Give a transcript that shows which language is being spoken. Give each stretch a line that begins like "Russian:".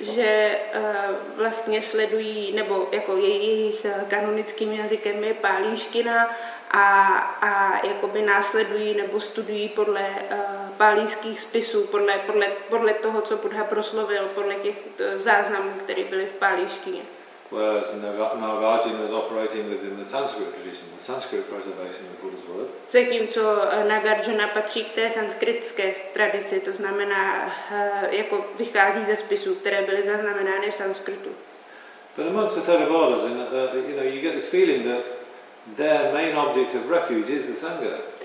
Czech: Že vlastně sledují, nebo jako jejich kanonickým jazykem je pálíština a jakoby následují nebo studují podle pálíských spisů, podle toho, co Buddha proslovil, podle těch záznamů, které byly v pálíštině.
English: Whereas Nagarjuna is operating within the Sanskrit tradition, the Sanskrit preservation of Buddha's word.
Czech: Zatímco Nagarjuna patří k té sanskritské tradici, to znamená, jako vychází ze spisů, které byly zaznamenány v sanskritu.
English: But amongst the Theravadas, you know, you get this feeling that their main object of refuge is the Sangha.